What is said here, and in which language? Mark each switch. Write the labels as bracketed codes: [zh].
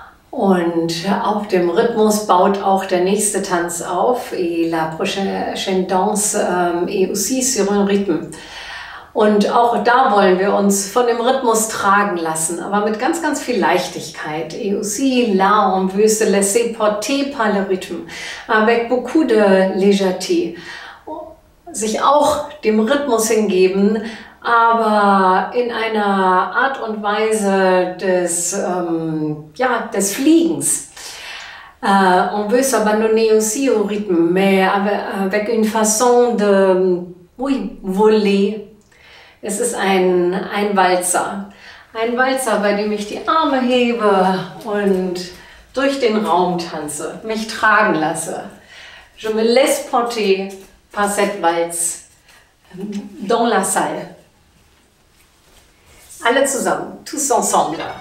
[de] Und auf dem Rhythmus baut auch der nächste Tanz auf, [fr] et la prochaine danse est aussi sur un rythme. [de] Und auch da wollen wir uns von dem Rhythmus tragen lassen, aber mit ganz, ganz viel Leichtigkeit. [fr] Et aussi là, on veut se laisser porter par le rythme, avec beaucoup de légèreté. [de] Sich auch dem Rhythmus hingeben, aber in einer Art und Weise des, ja, des Fliegens. [fr] On veut s'abandonner aussi au rythme, mais avec une façon de oui, voler. [de] Es ist ein Walzer. Ein Walzer, bei dem ich die Arme hebe und durch den Raum tanze, mich tragen lasse. [fr] Je me laisse porter par cette valse dans la salle. [de] Alle zusammen, [fr] tous ensemble.